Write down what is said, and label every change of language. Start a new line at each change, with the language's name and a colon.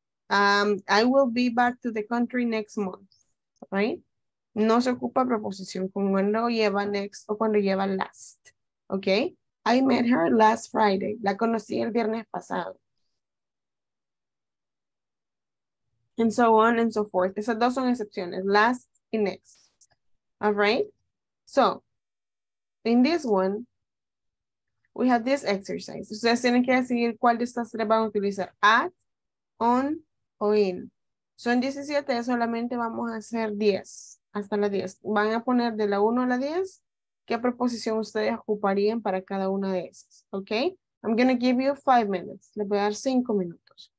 English: I will be back to the country next month, right?
Spanish: No se ocupa preposición con cuando lleva next o cuando lleva last, okay?
English: I met her last Friday.
Spanish: La conocí el viernes pasado.
English: And so on and so forth.
Spanish: Esas dos son excepciones, last y next.
English: All right? So, in this one, we have this exercise.
Spanish: Ustedes tienen que decidir cuál de estas tres van a utilizar. At, on, o in. Son 17, solamente vamos a hacer 10, hasta la 10. Van a poner de la 1 a la 10, qué preposición ustedes ocuparían para cada una de esas.
English: Okay? I'm going to give you 5 minutes.
Spanish: Les voy a dar 5 minutos.